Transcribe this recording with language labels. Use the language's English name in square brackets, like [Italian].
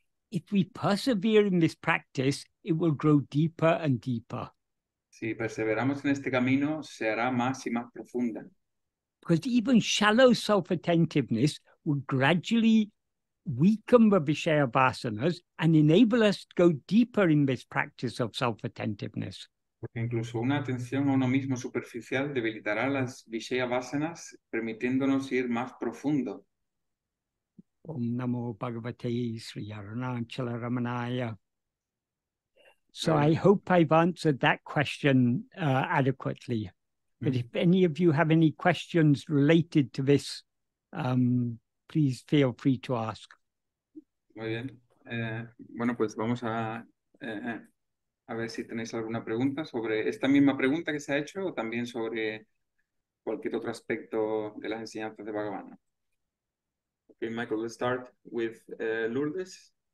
[English] if we persevere in this practice, it will grow deeper and deeper. [Spanish] Si perseveramos en este camino, se hará más y más profunda. [English] Because even shallow self-attentiveness will gradually weaken the vishaya vasanas and enable us to go deeper in this practice of self-attentiveness. [Spanish] Porque incluso una atención a uno mismo superficial debilitará las vishaya vasanas, permitiéndonos ir más profundo. [Sanskrit] Om namo bhagavate sri arunachala ramanaya. [English] So I hope I've answered that question adequately. But if any of you have any questions related to this, please feel free to ask. [Spanish] Muy bien. Bueno, pues vamos a ver si tenéis alguna pregunta sobre esta misma pregunta que se ha hecho o también sobre cualquier otro aspecto de las enseñanzas de Bhagavan. [English] Okay, Michael, let's start with Lourdes.